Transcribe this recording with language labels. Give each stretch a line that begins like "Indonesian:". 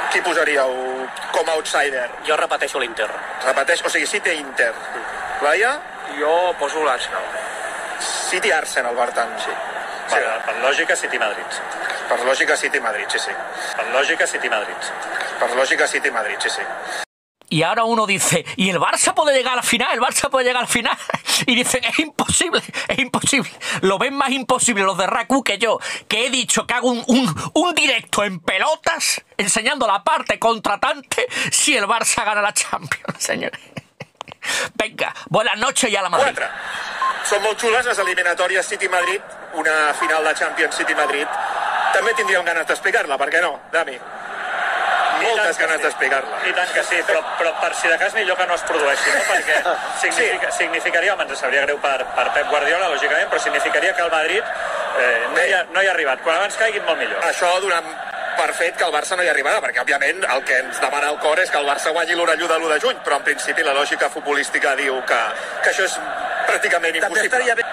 Catalan: Qui posaríeu com a outsider? Jo repeteixo l'Inter. Repeteix, o sigui, City-Inter. Laia? Jo poso l'Arsenal. City-Arsenal, per tant. Sí. Per lògica, City-Madrid. Per lògica, City-Madrid, sí, sí. Per lògica, City-Madrid. Per lògica, City-Madrid, sí, sí.
Spanish: Y ahora uno dice, ¿y el Barça puede llegar a la final? ¿El Barça puede llegar a la final? Y dicen, es imposible, es imposible. Lo ven más imposible los de Raku que yo, que he dicho que hago un directo en pelotas, enseñando la parte contratante, si el Barça gana la Champions, señores. Venga, buenas noches y a la Madrid. Cuatro. Son muy chulas las eliminatorias City-Madrid, una final de Champions City-Madrid. También tendrían ganas de explicarla, ¿por qué no, Dami?
Catalan: Moltes ganes d'explicar-la. I tant que sí, però per si de cas millor que no es produeixi, no? Perquè significaria, home, ens sabria greu per Pep Guardiola, lògicament, però significaria que el Madrid no hi ha arribat. Quan abans caiguin, molt millor. Això donant per fet que el Barça no hi arribarà, perquè, òbviament, el que ens demana el cor és que el Barça guanyi l'orellú de l'1 de juny, però, en principi, la lògica futbolística diu que això és pràcticament impossible.